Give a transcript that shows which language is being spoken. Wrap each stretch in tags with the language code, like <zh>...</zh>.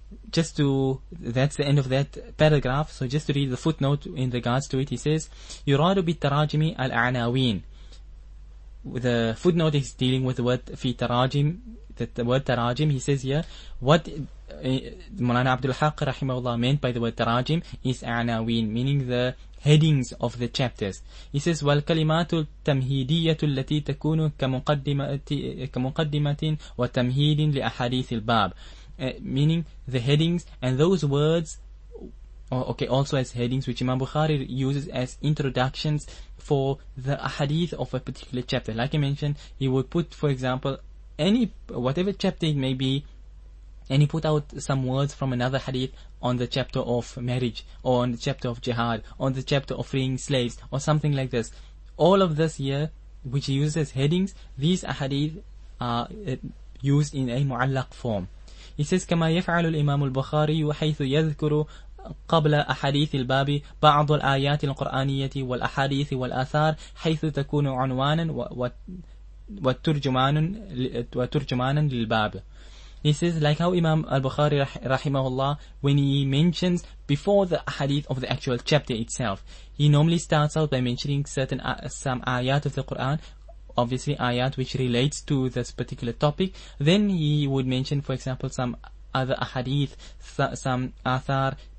<en>That's the end of that paragraph. So just to read the footnote in regards to it, he says,</en> <ar>"Yuradu bi tarajimi al-anawin."</ar> <en>The footnote is dealing with the word fi tarajim. The word tarajim, he says here, what Mulana Abdul Haq rahimahullah meant by the word tarajim is anawin, meaning the headings of the chapters. He says,</en> <ar>"والكلمات التمهيدية التي تكون كمقدمة وتمهيد لأحاديث الباب."</ar> <en>Meaning the headings and those words, also as headings, which Imam Bukhari uses as introductions for the ahadith of a particular chapter. Like I mentioned, he would put, for example, whatever chapter it may be, and he put out some words from another hadith on the chapter of marriage, or on the chapter of jihad, on the chapter of freeing slaves, or something like this. All of this here, which he uses as headings, these ahadith are used in a mu'allaq form. He says,</en> <ar>كما يفعل الإمام البخاري حيث يذكر قبل أحاديث الباب بعض الآيات القرآنية والأحاديث والآثار حيث تكون عنوانا وترجمانا للباب.</ar> <en>He says, like how Imam al-Bukhari rahimahullah, when he mentions before the hadith of the actual chapter itself, he normally starts out by mentioning some ayat of the Quran, obviously ayat which relates to this particular topic. Then he would mention, for example, some other ahadith, some athar.</en>